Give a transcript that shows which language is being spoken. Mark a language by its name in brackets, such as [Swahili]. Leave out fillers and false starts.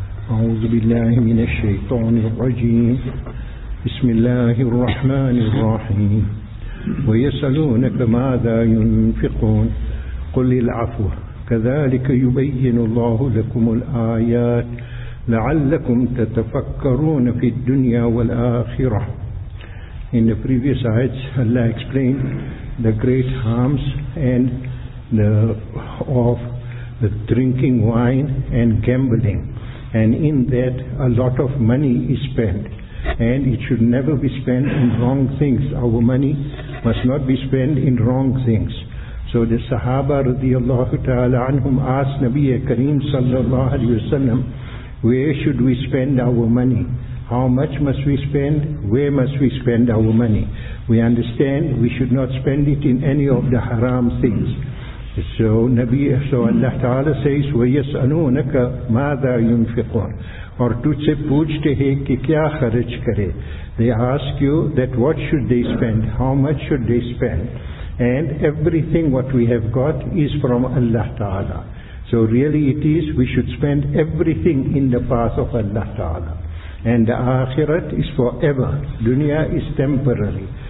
[Arabic] أعوذ بالله من الشيطان الرجيم. بسم الله الرحمن الرحيم. ويسألونك ماذا ينفقون قل العفو كذلك يبين الله لكم الآيات لعلكم تتفكرون في الدنيا والآخرة. [English] In the previous ayats, Allah explained the great harms and the of the drinking wine and gambling, and in that a lot of money is spent, and it should never be spent in wrong things. Our money must not be spent in wrong things. So the Sahaba radiallahu ta'ala anhum asked Nabi Kareem sallallahu alayhi wa sallam, where should we spend our money? How much must we spend? Where must we spend our money? We understand we should not spend it in any of the haram things. So Nabi, so Allah Ta'ala says, [Arabic] وَيَسْأَلُونَكَ مَاذَا يُنْفِقُونَ [Urdu] اور تجھ سے پوچھتے ہیں کہ کیا خرچ کرے. [English] They ask you that what should they spend, how much should they spend, and everything what we have got is from Allah Ta'ala. So really it is, we should spend everything in the path of Allah Ta'ala, and the akhirat is forever, dunya is temporary.